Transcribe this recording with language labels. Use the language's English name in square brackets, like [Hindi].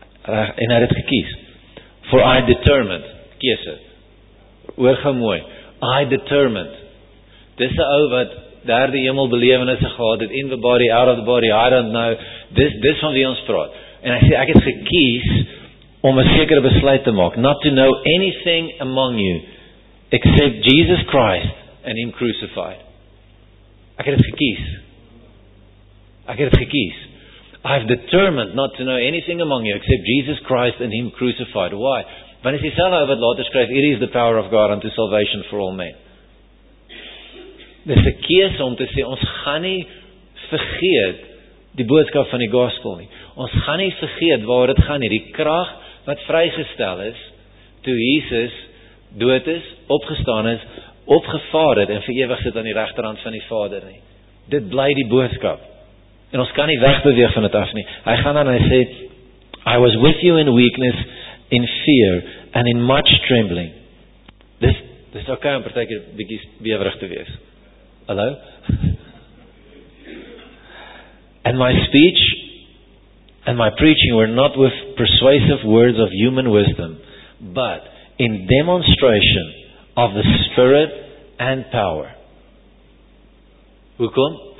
[Afrikaans] En hy het gekies. [English] For I determined, [Afrikaans] kies het. Oor gaan mooi. [English] I determined. [Afrikaans] Dis die ou wat derde hemel belewenisse gehad het, [English] in the body, out of the body, I don't know. [Afrikaans] Dis van wie ons praat. En hy sê, ek het gekies om 'n sekere besluit te maak. [English] Not to know anything among you, except Jesus Christ and Him crucified. [Afrikaans] Ek het gekies. [English] I've determined not to know anything among you except Jesus Christ and Him crucified. Why? [Afrikaans] Want as hy sê nou wat later skryf, [English] it is the power of God unto salvation for all men. [Afrikaans] Dis 'n keuse om te sê, ons gaan nie vergeet die boodskap van die gospel nie. Ons gaan nie vergeet waar dit gaan nie. Die krag wat vrygestel is, toe Jesus dood is, opgestaan is, opgevaar het en vir ewig sit aan die regterhand van die Vader nie. Dit bly die boodskap. En ons kan nie wegbeweeg van dit af nie. Hy gaan dan, hy sê, [English] I was with you in weakness, in fear, and in much trembling. [Afrikaans] Dis ok om partij keer bietjie bewerig te wees. Hallo? [English] And my speech and my preaching were not with persuasive words of human wisdom, but in demonstration of the Spirit and power. Hoekom?